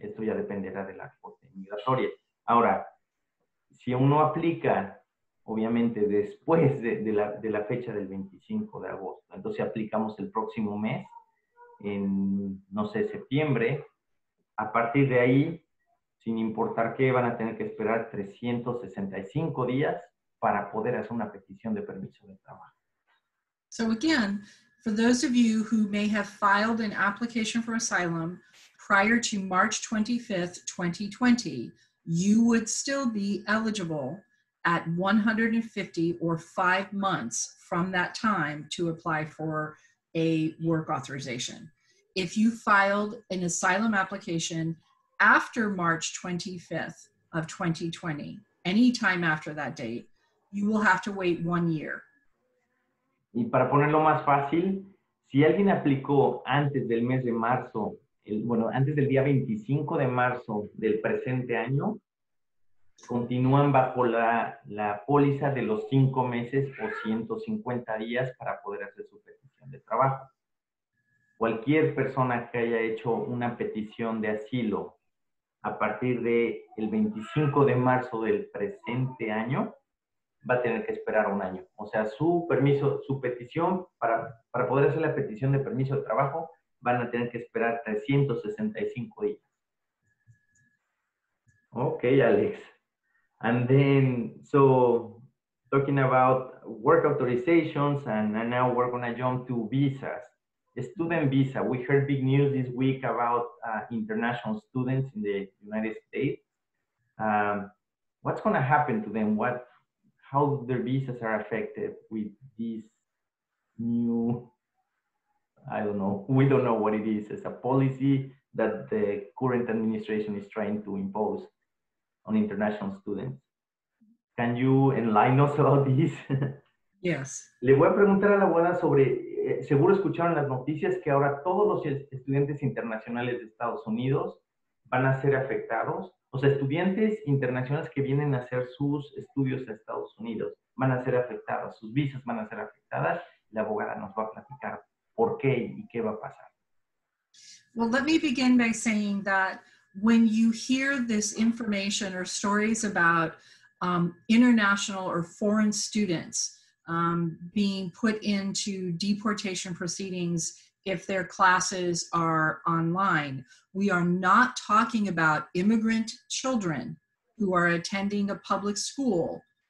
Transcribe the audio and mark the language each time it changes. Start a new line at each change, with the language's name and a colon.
Spanish: Esto ya dependerá de la corte migratoria. Ahora, si uno aplica, obviamente, después de la fecha del 25 de agosto, entonces aplicamos el próximo mes, en, no sé, septiembre, a partir de ahí, sin importar qué, van a tener que esperar 365 días para poder hacer una petición de permiso de trabajo.
English: So again, for those of you who may have filed an application for asylum prior to March 25th, 2020, you would still be eligible at 150 or 5 months from that time to apply for a work authorization. If you filed an asylum application after March 25th of 2020, any time after that date, you will have to wait 1 year.
Spanish: Y para ponerlo más fácil, si alguien aplicó antes del mes de marzo, antes del día 25 de marzo del presente año, continúan bajo la póliza de los 5 meses o 150 días para poder hacer su petición de trabajo. Cualquier persona que haya hecho una petición de asilo a partir de el 25 de marzo del presente año, va a tener que esperar 1 año. O sea, su petición para poder hacer la petición de permiso de trabajo, van a tener que esperar 365 días.
English: Okay, Alex. And then, so, talking about work authorizations, and now we're going to jump to visas. Student visa, we heard big news this week about international students in the United States. What's going to happen to them? How their visas are affected with this new, we don't know what it is. It's a policy that the current administration is trying to impose on international students. Can you enlighten us about this? Yes.
Spanish: Le voy a preguntar a la abuela sobre, seguro escucharon las noticias que ahora todos los estudiantes internacionales de Estados Unidos van a ser afectados. O sea, estudiantes internacionales que vienen a hacer sus estudios a Estados Unidos van a ser afectados, sus visas van a ser afectadas. La abogada nos va a platicar por qué y qué va a pasar.
English: Well, let me begin by saying that when you hear this information or stories about international or foreign students being put into deportation proceedings if their classes are online, we are not talking about immigrant children who are attending a public school.